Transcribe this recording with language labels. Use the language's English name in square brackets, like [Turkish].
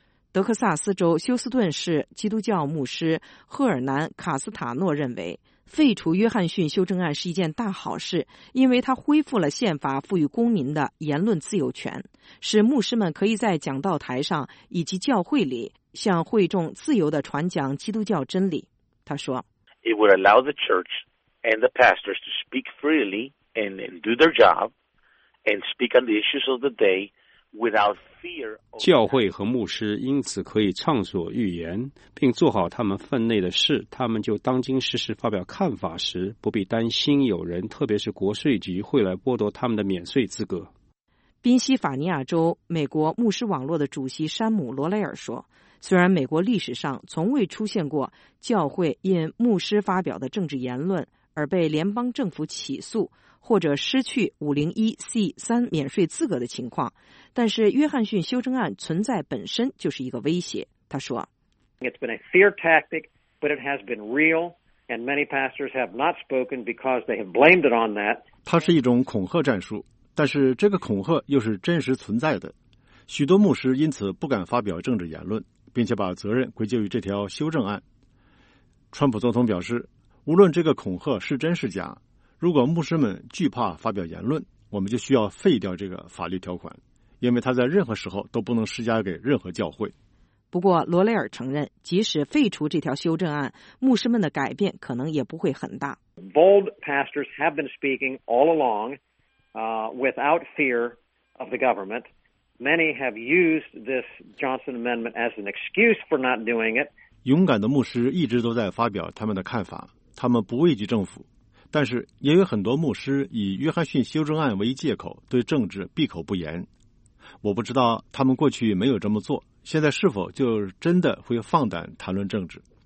[Chinese] 德克萨斯州休斯顿市基督教牧师赫尔南·卡斯塔诺认为，废除约翰逊修正案是一件大好事，因为它恢复了宪法赋予公民的言论自由权，使牧师们可以在讲道台上以及教会里向会众自由地传讲基督教真理。他说 [English] ：“It would allow the church and the pastors to speak freely and do their job and speak on the issues of the day.” [Chinese] 教会和牧师因此可以畅所欲言，并做好他们分内的事，他们就当今时事发表看法时，不必担心有人，特别是国税局，会来剥夺他们的免税资格。宾夕法尼亚州美国牧师网络的主席山姆·罗莱尔说，虽然美国历史上从未出现过教会因牧师发表的政治言论而被联邦政府起诉或者失去 501(c)(3) 免税资格的情况，但是约翰逊修正案存在本身就是一个威胁。他说 [English] ：“It's been a fear tactic, but it has been real, and many pastors have not spoken because they have blamed it on that.” [Chinese] 它是一种恐吓战术，但是这个恐吓又是真实存在的。许多牧师因此不敢发表政治言论，并且把责任归咎于这条修正案。川普总统表示，无论这个恐吓是真是假，如果牧师们惧怕发表言论，我们就需要废掉这个法律条款，因为它在任何时候都不能施加给任何教会。不过罗雷尔承认，即使废除这条修正案，牧师们的改变可能也不会很大。 [English] Bold pastors have been speaking all along without fear of the government. Many have used this Johnson Amendment as an excuse for not doing it. [Chinese] 勇敢的牧师一直都在发表他们的看法，他们不畏惧政府，但是也有很多牧师以约翰逊修正案为借口对政治闭口不言。我不知道他们过去没有这么做，现在是否就真的会放胆谈论政治。